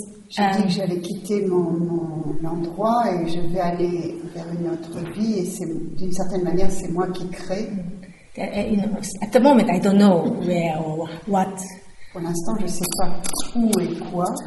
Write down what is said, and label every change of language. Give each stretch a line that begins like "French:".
French: Je dis que j'allais quitter mon endroit et je vais aller vers une autre vie et c'est d'une certaine manière c'est moi qui crée.
English: At the moment, I don't know where or what.
French: Pour l'instant, je sais pas où et quoi.